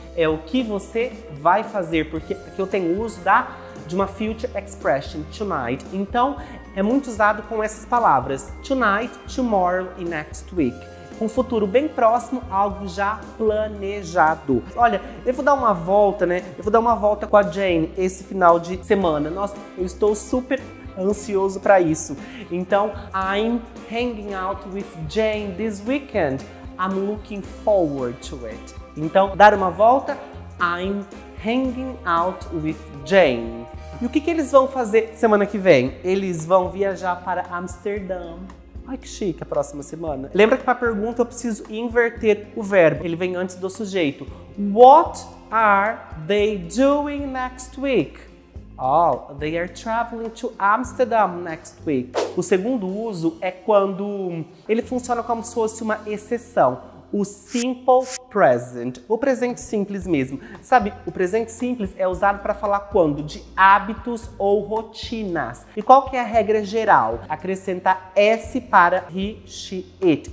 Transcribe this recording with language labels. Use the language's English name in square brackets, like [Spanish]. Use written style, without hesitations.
[Portuguese] É o que você vai fazer. Porque aqui eu tenho uso de uma future expression, tonight. Então, é muito usado com essas palavras, tonight, tomorrow e next week. Um futuro bem próximo, algo já planejado. Olha, eu vou dar uma volta, né? Eu vou dar uma volta com a Jane esse final de semana. Nossa, eu estou super ansioso para isso. [English] Então, I'm hanging out with Jane this weekend. I'm looking forward to it. [Portuguese] Então, dar uma volta, [English] I'm hanging out with Jane. [Portuguese] E o que eles vão fazer semana que vem? Eles vão viajar para Amsterdã. Ai, que chique, a próxima semana. Lembra que para a pergunta eu preciso inverter o verbo. Ele vem antes do sujeito. [English] What are they doing next week? Oh, they are traveling to Amsterdam next week. [Portuguese] O segundo uso é quando ele funciona como se fosse uma exceção. O simple present, o presente simples mesmo. Sabe, o presente simples é usado para falar quando? De hábitos ou rotinas. E qual que é a regra geral? Acrescentar S para he, she, it.